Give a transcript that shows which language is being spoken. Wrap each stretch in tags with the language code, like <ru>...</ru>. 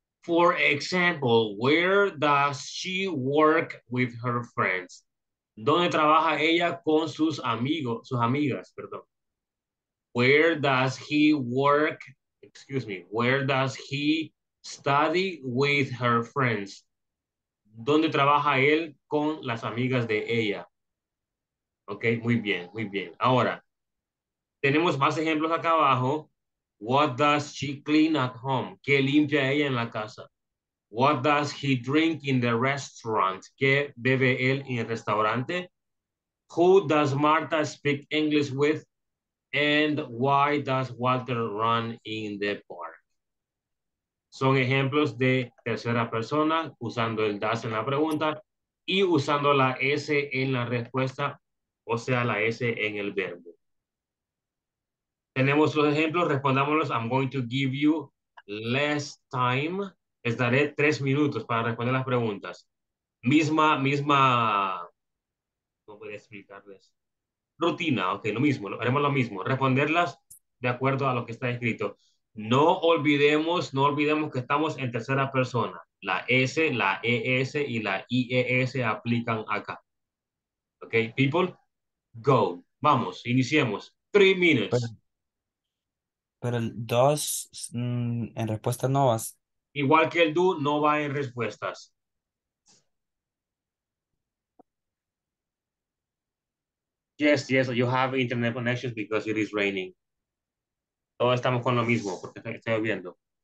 <en>For example, where does she work with her friends?</en> <es>¿Dónde trabaja ella con sus amigos, sus amigas, perdón?</es> <en>Where does he work, excuse me, where does he study with her friends?</en> <es>¿Dónde trabaja él con las amigas de ella? Ok, muy bien, muy bien. Ahora, tenemos más ejemplos acá abajo.</es> <en>What does she clean at home?</en> <es>¿Qué limpia ella en la casa?</es> <en>What does he drink in the restaurant?</en> <es>¿Qué bebe él en el restaurante?</es> <en>Who does Marta speak English with? And why does Walter run in the park?</en> <es>son ejemplos de tercera persona usando el does en la pregunta y usando la S en la respuesta, o sea, la S en el verbo. Tenemos los ejemplos, respondámoslos.</es> <en>I'm going to give you less time.</en> <es>Les daré 3 minutos para responder las preguntas. Misma, ¿cómo voy a explicarles? Rutina, ok, lo mismo, haremos lo mismo. Responderlas de acuerdo a lo que está escrito. No olvidemos que estamos en tercera persona. La S, la ES y la IES aplican acá.</es> <en>Ok, people, go.</en> <es>Vamos, iniciemos.</es> <en>3 minutes.</en> <es>Pero el does en respuesta no vas. Igual que el do, no va en respuestas.</es> <en>Yes, you have internet connections because it is raining.</en> <es>Todos estamos con lo mismo porque está lloviendo.</es>